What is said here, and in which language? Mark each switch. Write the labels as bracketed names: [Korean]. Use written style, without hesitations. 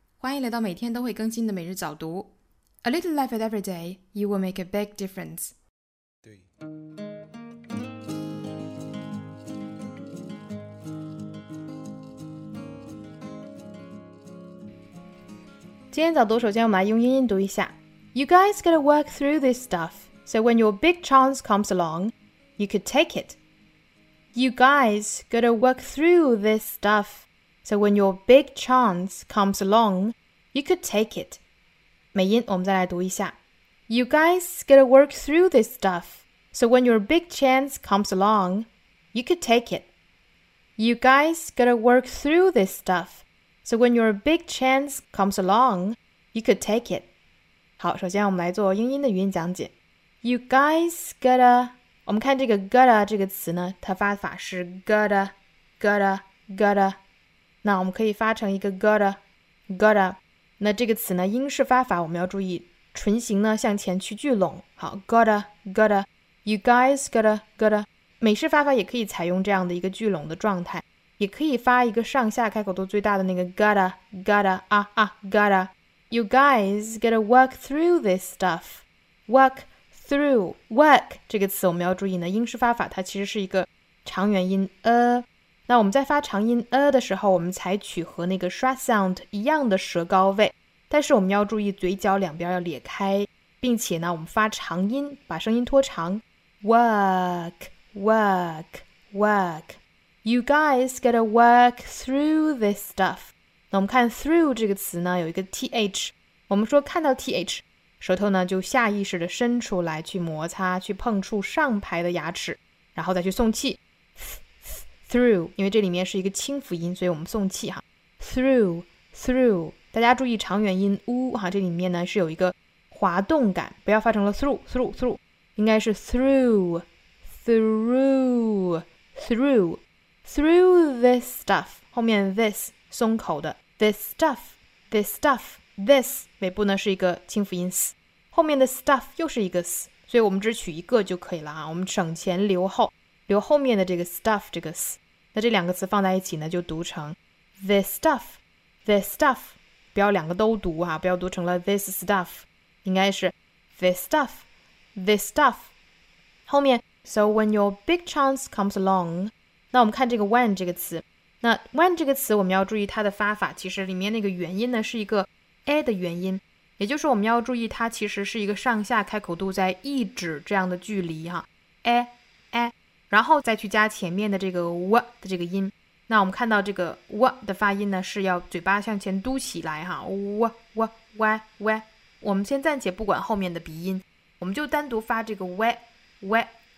[Chinese] 欢迎来到每天都会更新的每日早读。 [English] A little life at every day, you will make a big difference. [Chinese] 对。今天早读首先我们来用英音读一下。 [English] You guys gotta work through this stuff, so when your big chance comes along, you could take it. You guys gotta work through this stuff. So when your big chance comes along, you could take it. [Chinese] 美音我们再来读一下。 [English] You guys gotta work through this stuff. So when your big chance comes along, you could take it. You guys gotta work through this stuff. So when your big chance comes along, you could take it. [Chinese] 好，首先我们来做英音的语音讲解。 [English] You guys gotta, [Chinese] 我们看这个 gotta 这个词呢，它发法是 gotta, gotta, gotta. 那我们可以发成一个 gotta, gotta, 那这个词呢英式发法我们要注意唇形呢向前去聚拢。 [English] 好 ,gotta, gotta, you guys gotta, gotta, [Chinese] 美式发法也可以采用这样的一个聚拢的状态。也可以发一个上下开口度最大的那个 gotta, gotta, 啊啊 gotta, [English] you guys gotta work through this stuff, work through, [Chinese] work, 这个词我们要注意呢英式发法它其实是一个长元音那我们在发长音的时候我们采取和那个 schwa sound 一样的舌高位但是我们要注意嘴角两边要裂开并且呢我们发长音把声音拖长 [English] work, work, work You guys gotta work through this stuff [Chinese] 那我们看 through 这个词呢有一个 th 我们说看到 th 舌头呢就下意识的伸出来去摩擦去碰触上排的牙齿然后再去送气through 因为这里面是一个清辅音所以我们送气哈 [English] through through [Chinese] 大家注意长元音 u 哈这里面呢是有一个滑动感不要发成了 through through through 应该是 through [English] through through through this stuff [Chinese] 后面 this 松口的 this stuff this stuff this 尾部呢是一个清辅音 s 后面的 stuff 又是一个 s 所以我们只取一个就可以了啊我们省前留后留后面的这个 stuff 这个 s 那这两个词放在一起呢就读成 this stuff this stuff 不要两个都读啊不要读成了 this stuff 应该是 this stuff this stuff 后面 [English] so when your big chance comes along [Chinese] 那我们看这个 when 这个词那 when 这个词我们要注意它的发法其实里面那个元音呢是一个 a 的元音也就是我们要注意它其实是一个上下开口度在一指这样的距离哈 a a然后再去加前面的这个 w 的这个音那我们看到这个 w 的发音呢是要嘴巴向前嘟起来哈 w w w w 我们先暂且不管后面的鼻音我们就单独发这个 w w